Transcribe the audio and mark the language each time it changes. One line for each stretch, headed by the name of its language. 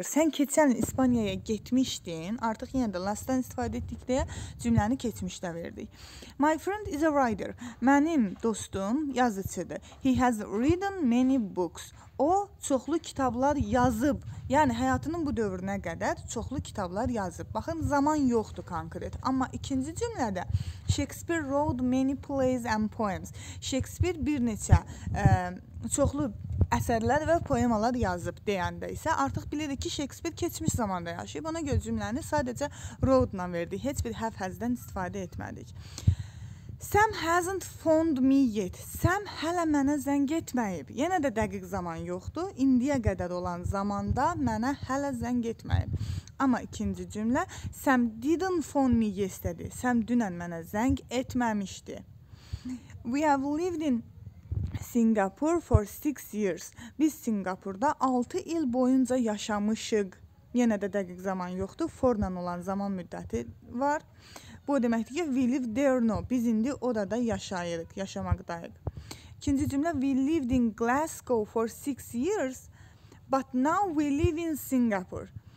Azerbaijani: Sən keçən İspaniyaya getmişdin. Artıq yenə də last-dan istifadə etdik deyə cümləni keçmişdə verdik.
English: My friend is a writer.
Azerbaijani: Mənim dostum yazıçıdır.
English: He has written many books.
Azerbaijani: O, çoxlu kitablar yazıb. Yəni, həyatının bu dövrünə qədər çoxlu kitablar yazıb. Baxın, zaman yoxdur konkret. Amma ikinci cümlədə
English: Shakespeare wrote many plays and poems.
Azerbaijani: Shakespeare bir neçə çoxlu əsərlər və poemalar yazıb deyəndə isə artıq bilirik ki, Shakespeare keçmiş zamanda yaşayıb. Ona görə cümləni sadəcə wrote-dan verdik. Heç bir have has-dən istifadə etmədik.
English: Sam hasn't phoned me yet.
Azerbaijani: Sam hələ mənə zəng etməyib. Yenə də dəqiq zaman yoxdur. İndiyə qədər olan zamanda mənə hələ zəng etməyib. Amma ikinci cümlə
English: Sam didn't phone me yesterday.
Azerbaijani: Sam dünən mənə zəng etməmişdi.
English: We have lived in Singapore for 6 years.
Azerbaijani: Biz Singapurda 6 il boyunca yaşamışıq. Yenə də dəqiq zaman yoxdur. For-la olan zaman müddəti var. Bu o deməkdir ki,
English: we live there now.
Azerbaijani: Biz indi orada yaşayırıq, yaşamaqdayıq. İkinci cümlə,
English: we lived in Glasgow for 6 years, but now we live in Singapore.